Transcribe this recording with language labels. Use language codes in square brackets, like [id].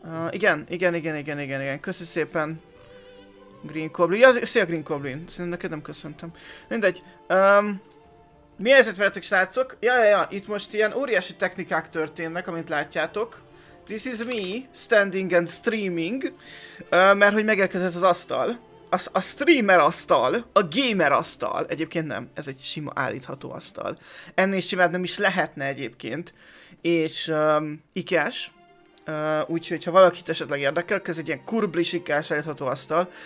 [hu] Igen, köszönöm szépen, Green Goblin, ja, szia Green Goblin, szerintem neked nem köszöntem. Mindegy, mi helyzet veletek, srácok? Ja, itt most ilyen óriási technikák történnek, amint látjátok. [en] This is me, standing and streaming. [hu] Mert hogy megérkezett az asztal. A streamer asztal. A gamer asztal. Egyébként nem, ez egy sima állítható asztal. Ennél simább nem is lehetne egyébként. És ikás. Úgyhogy ha valakit esetleg érdekel, ez egy ilyen kurblis ikás állítható asztal.